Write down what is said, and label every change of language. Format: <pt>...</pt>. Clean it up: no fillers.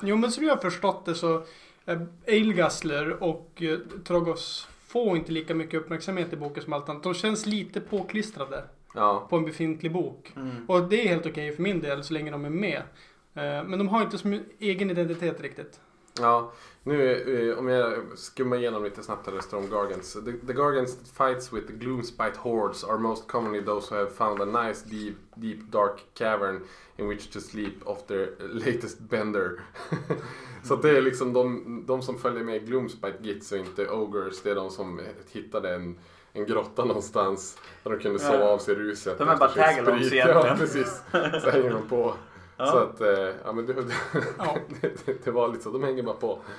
<sv>Jo, men som jag har förstått det så Ailgutsler och Trogoths får inte lika mycket uppmärksamhet i boken som allt annat. De känns lite påklistrade på en befintlig bok. Mm. Och det är helt okej för min del så länge de är med. Men de har inte så egen identitet riktigt. Ja, nu om jag skummar igenom lite snabbt här, Storm Gargants.</sv> <en>The Gargants fights with the Gloomspite hordes are most commonly those who have found a nice deep dark cavern in which to sleep off their latest bender.</en> <sv>Så det är liksom de som följer med Gloomspite gits och inte ogres, det är de som hittade en grotta någonstans där de kunde sova av sig ruset. De är bara tagalongs egentligen. Ja, precis. Så hänger de på. Så att, ja men det var lite så, de hänger bara på.</sv>